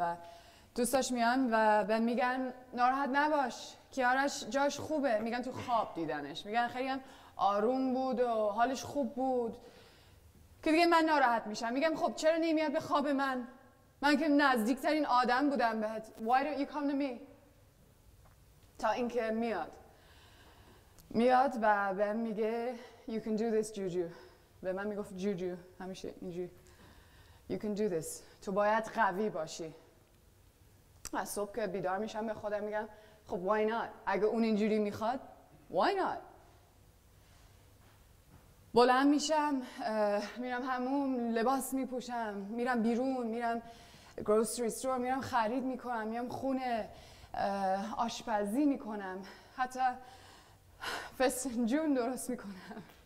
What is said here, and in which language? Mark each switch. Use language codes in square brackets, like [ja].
[fa] و دوستاش میان و بهم میگن ناراحت نباش، کیارش جاش خوبه. میگن تو خواب دیدنش، میگن خیلی هم آروم بود و حالش خوب بود. که دیگه من ناراحت میشم، میگم خب چرا نمیاد به خواب من؟ من که نزدیکترین آدم بودم بهت. [en] Why don't you come to me؟ [fa] تا اینکه میاد و بهم میگه [en] You can do this Juju. [fa] به من میگفت Juju همیشه اینجوری. [en] You can do this. [fa] تو باید قوی باشی. از صبح که بیدار میشم به خودم میگم خب [en] why not؟ [fa] اگه اون اینجوری میخواد why not؟ بلند میشم، میرم حموم، لباس میپوشم، میرم بیرون، میرم گروسری استور، میرم خرید میکنم، میام خونه، آشپزی میکنم، حتی فسنجون درست میکنم.